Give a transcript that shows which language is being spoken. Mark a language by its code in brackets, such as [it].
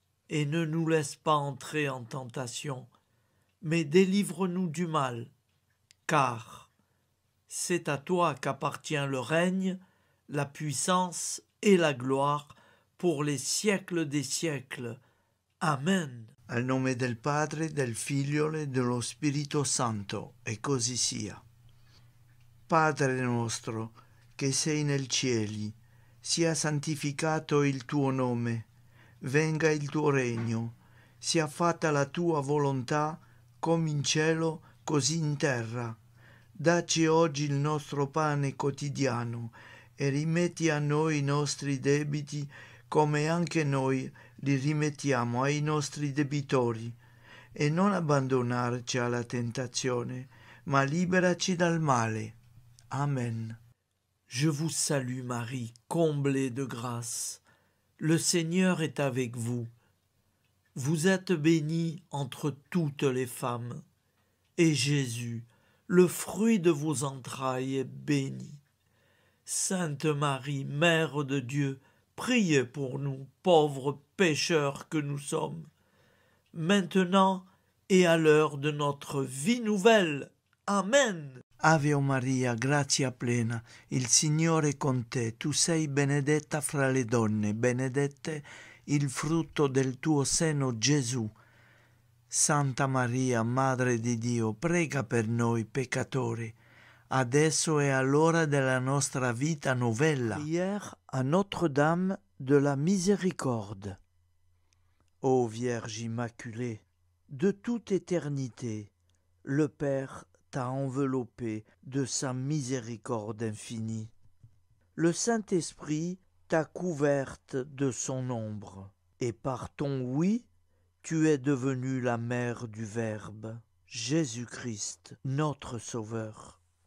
[fr] Et ne nous laisse pas entrer en tentation, mais délivre-nous du mal, car c'est à toi qu'appartient le règne, la puissance et la gloire pour les siècles des siècles. Amen. [it] Al nome del Padre, del Figlio e dello Spirito Santo, e così sia. Padre nostro, che sei nel cieli, sia santificato il tuo nome, venga il tuo regno, sia fatta la tua volontà, come in cielo, così in terra. Dacci oggi il nostro pane quotidiano e rimetti a noi i nostri debiti come anche noi li rimettiamo ai nostri debitori. E non abbandonarci alla tentazione, ma liberaci dal male. Amen. [fr] Je vous salue, Marie, comblée de grâce. Le Seigneur est avec vous. Vous êtes bénie entre toutes les femmes. Et Jésus, le fruit de vos entrailles, est béni. Sainte Marie, Mère de Dieu, priez pour nous, pauvres pécheurs que nous sommes, maintenant et à l'heure de notre vie nouvelle. Amen. [it] Ave Maria, grazia plena, il Signore è con te, tu sei benedetta fra le donne, benedette il frutto del tuo seno, Gesù. Santa Maria, Madre di Dio, prega per noi, peccatori, adesso è all'ora della nostra vita novella. [fr] Prière à Notre-Dame de la Miséricorde. Ô Vierge Immaculée, de toute éternité, le Père t'a enveloppée de sa miséricorde infinie. Le Saint-Esprit t'a couverte de son ombre, et par ton oui, tu es devenue la mère du Verbe, Jésus-Christ, notre Sauveur.